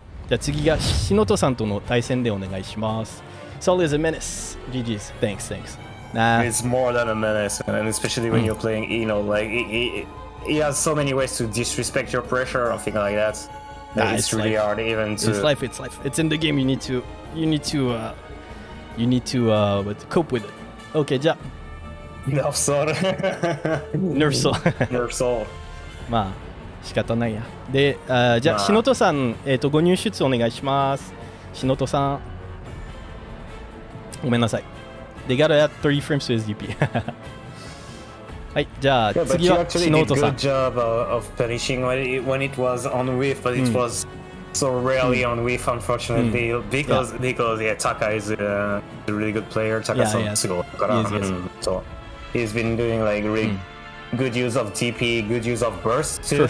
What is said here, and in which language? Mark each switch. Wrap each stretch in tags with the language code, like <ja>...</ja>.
<ja>じゃあ次がシノトさんとの対戦でお願いします。</ja> <en>Sol is a menace. GG's. Thanks. Nah. It's more than a menace, and especially when you're playing Eno. Like, he has so many ways to disrespect your pressure or things like that. It's really life. Hard even to... It's life. It's in the game. You need to cope with it. Okay,</en> <ja>じゃあ。</ja> <en>Nerf Sol.</en> <ja>まあ、仕方ないや。で、じゃあ、シノトさん、ご入出お願いします。シノトさん。ごめんなさい。</ja> <en>They got to add 30 frames to his DP.</en> <ja>はい、じゃあ次はシノートさん。</ja> <en>Good job of punishing when it was on whiff, but it was so rarely on whiff, unfortunately. Because Taka is a really good player. Taka Sonsugo. Yes. So he's been doing like really good use of DP, good use of burst too.</en>